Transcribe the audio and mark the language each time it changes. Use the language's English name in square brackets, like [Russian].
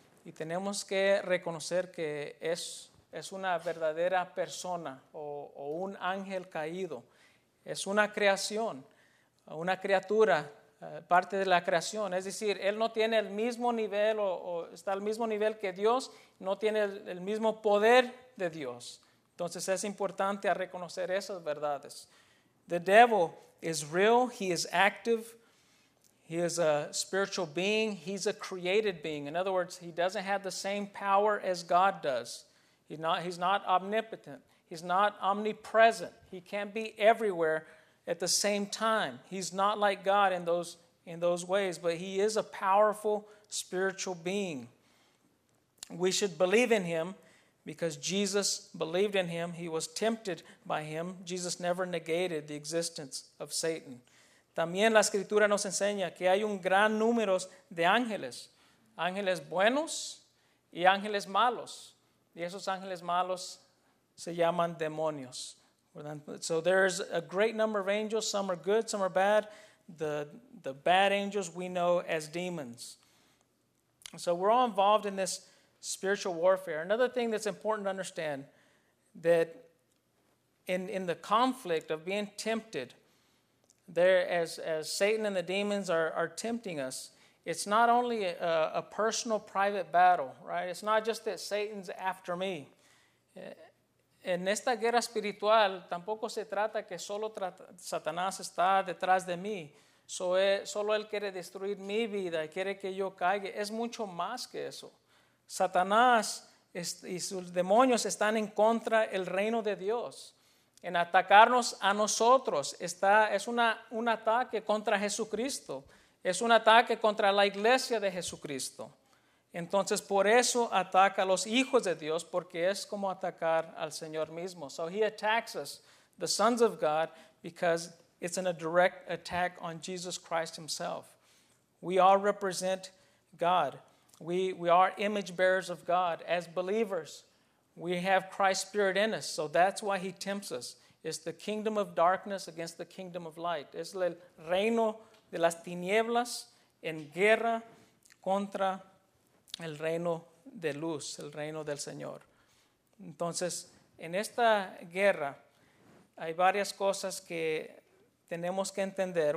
[Spanish] Y tenemos que reconocer que es una verdadera persona o un ángel caído. Es una creación, una criatura, parte de la creación. Es decir, él no tiene el mismo nivel o está al mismo nivel que Dios, no tiene el mismo poder de Dios. Entonces es importante a reconocer esas verdades. [English] The devil is real, he is active. He is a spiritual being. He's a created being. In other words, he doesn't have the same power as God does. He's not omnipotent. He's not omnipresent. He can't be everywhere at the same time. He's not like God in those ways, but he is a powerful spiritual being. We should believe in him because Jesus believed in him. He was tempted by him. Jesus never negated the existence of Satan. [Spanish] También la escritura nos enseña que hay un gran número de ángeles, ángeles buenos y ángeles malos. Y esos ángeles malos se llaman demonios. [English] So there's a great number of angels, some are good, some are bad. The bad angels we know as demons. So we're all involved in this spiritual warfare. Another thing that's important to understand that in the conflict of being tempted, there, as Satan and the demons are tempting us, it's not only a personal private battle, right? It's not just that Satan's after me. [Spanish] En esta guerra espiritual, tampoco se trata que solo Satanás está detrás de mí. Solo él quiere destruir mi vida y quiere que yo caiga. Es mucho más que eso. Satanás y sus demonios están en contra del reino de Dios. En atacarnos a nosotros, es un ataque contra Jesucristo. Es un ataque contra la iglesia de Jesucristo. Entonces, por eso ataca a los hijos de Dios, porque es como atacar al Señor mismo. [English] So he attacks us, the sons of God, because it's in a direct attack on Jesus Christ himself. We all represent God. We are image bearers of God as believers. We have Christ's spirit in us, so that's why he tempts us. It's the kingdom of darkness against the kingdom of light. [Spanish] Es el reino de las tinieblas en guerra contra el reino de luz, el reino del Señor. Entonces, en esta guerra, hay varias cosas que tenemos que entender.